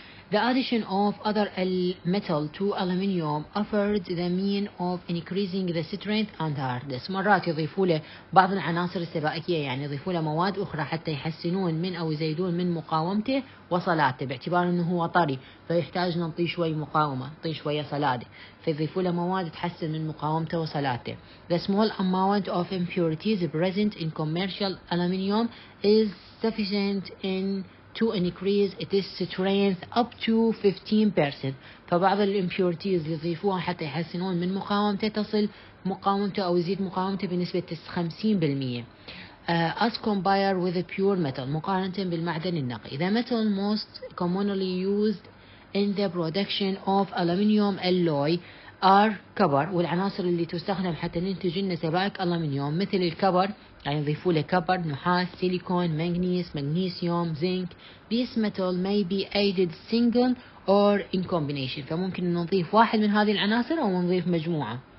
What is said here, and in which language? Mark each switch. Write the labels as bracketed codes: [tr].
[en] The addition of other metal to aluminium offered the mean of increasing the strength and hardness. [ar] مرات يضيفوا له بعض العناصر السبائكية, يعني يضيفوا له مواد أخرى حتى يحسنون من أو يزيدون من مقاومته وصلاته, باعتبار أنه هو طري فيحتاج نعطيه شوي مقاومة, نعطيه شوية صلادة, فيضيفوا له مواد تحسن من مقاومته وصلاته. [en] The small amount of impurities present in commercial aluminium is sufficient in to increase its strength up to 15%. [ar] فبعض الامبيورتيز اللي يضيفوها حتى يحسنون من مقاومته تصل مقاومته او يزيد مقاومته بنسبة 50%. [en] As compared with a pure metal, [ar] مقارنة بالمعدن النقي. [en] The metal most commonly used in the production of aluminium alloy are copper. [ar] والعناصر اللي تستخدم حتى ننتج لنا سبائك الألمنيوم مثل الكبر, يعني نضيفوا له كبر, نحاس, سيليكون, مغنيس, مغنيسيوم, زنك. [en] This metal may be added single or in combination. [ar] فممكن نضيف واحد من هذه العناصر أو نضيف مجموعة